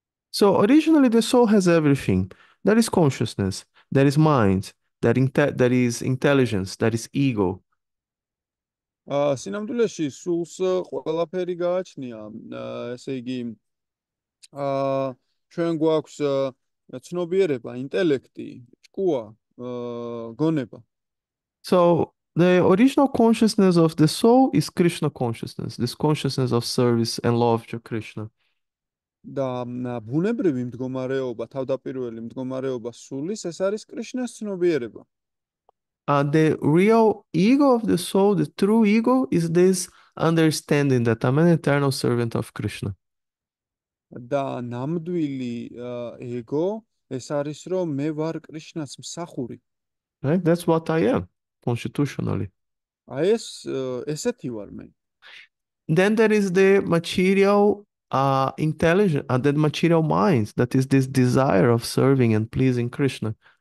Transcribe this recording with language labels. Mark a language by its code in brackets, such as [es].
[en] So originally, the soul has everything. That is consciousness. That is mind, that is intelligence, that is ego. [ka] სინამდვილეში სულს ყველაფერი გააჩნია, ესე იგი ჩვენ გვაქვს ცნობიერება, ინტელექტი, ჭკუა, გონება. [en] So the original consciousness of the soul is Krishna consciousness, this consciousness of service and love to Krishna. [ka] და ბუნებრივი მდგომარეობა, თავდაპირველი მდგომარეობა სულის, ეს არის კრიშნას ცნობიერება. [en] The real ego of the soul, the true ego, is this understanding that I'm an eternal servant of Krishna. [ka] და ნამდვილი ეგო ეს არის, რომ მე ვარ კრიშნას მსახური. [en] Right? That's what I am, constitutionally. [ka] აი ეს ესეთი ვარ მე. [en] Then there is the material intelligence, and the material mind, that is this desire of serving and pleasing Krishna.